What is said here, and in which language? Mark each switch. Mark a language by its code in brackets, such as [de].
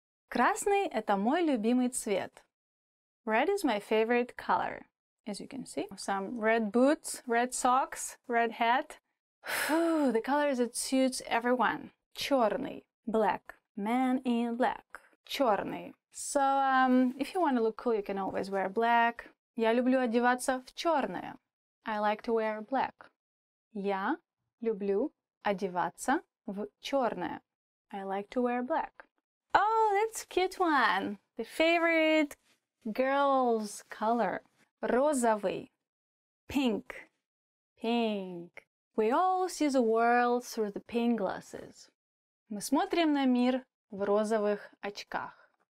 [ru] Красный – это мой любимый цвет. [en] Red is my favorite color, as you can see. Some red boots, red socks, red hat. Whew, the color that suits everyone. Черный. Black. Man in black. Черный. So, if you want to look cool, you can always wear black. [ru] Я люблю одеваться в черное. [en] I like to wear black. [ru] Я люблю одеваться в чёрное. [en] I like to wear black. Oh, that's a cute one. The favorite girl's color. [ru] Розовый. [en] Pink. Pink. We all see the world through the pink glasses. [ru] Мы смотрим на мир в розовых очках.